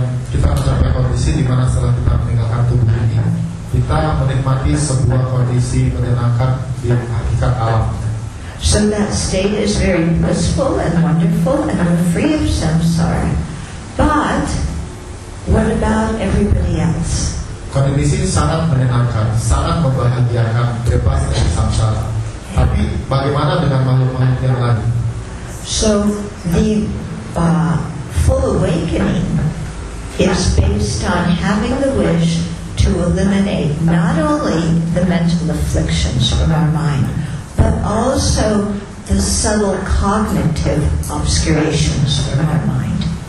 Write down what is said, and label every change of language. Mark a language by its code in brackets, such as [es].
[id] Kita mencapai kondisi di mana setelah kita meninggalkan tubuh ini, kita menikmati sebuah kondisi menyenangkan di hakikat alam. [en] So that state is very blissful and wonderful and we're free of samsara. But what about everybody else? [id] Kondisi sangat menyenangkan, sangat membahagiakan, bebas dari samsara. Tapi bagaimana dengan makhluk-makhluk yang lain? [en] So the full awakening is based on having the wish to eliminate not only the mental afflictions from our mind, but also the subtle cognitive obscurations from our mind.